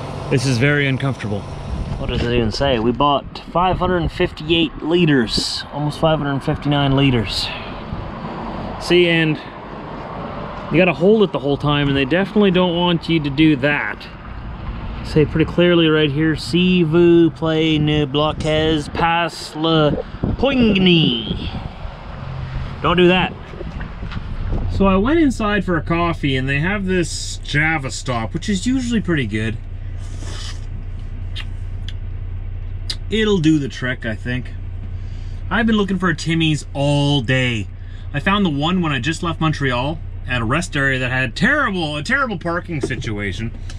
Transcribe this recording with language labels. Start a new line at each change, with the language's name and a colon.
English: This is very uncomfortable. What does it even say? We bought 558 liters, almost 559 liters. See, and you gotta hold it the whole time, and they definitely don't want you to do that. Say pretty clearly right here,
French: si vous plaît ne bloquez pas le poigne.
English: Don't do that. So I went inside for a coffee and they have this Java stop, which is usually pretty good. It'll do the trick, I think. I've been looking for a Timmy's all day. I found the one when I just left Montreal at a rest area that had a terrible parking situation.